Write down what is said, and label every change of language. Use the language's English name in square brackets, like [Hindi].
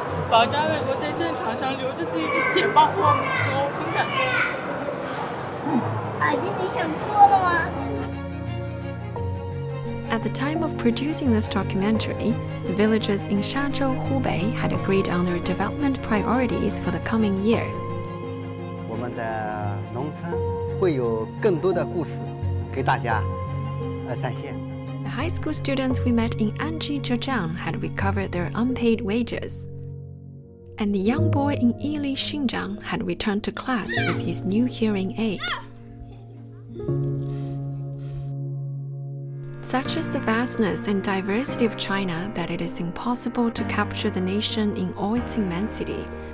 [Chinese] 保家卫国在战场上流着自己的血帮我们的时候，我很感动。阿姨，你想做了吗？ [English] At the time of producing this documentary, the villagers in Shazhou, Hubei had agreed on their development priorities for the coming year. [Chinese] 我们的农村会有更多的故事给大家展现。 [English] The high school students we met in Anji, Zhejiang had recovered their unpaid wages. and the young boy in Ely Xinjiang had returned to class with his new hearing aid. Such is the vastness and diversity of China that it is impossible to capture the nation in all its immensity.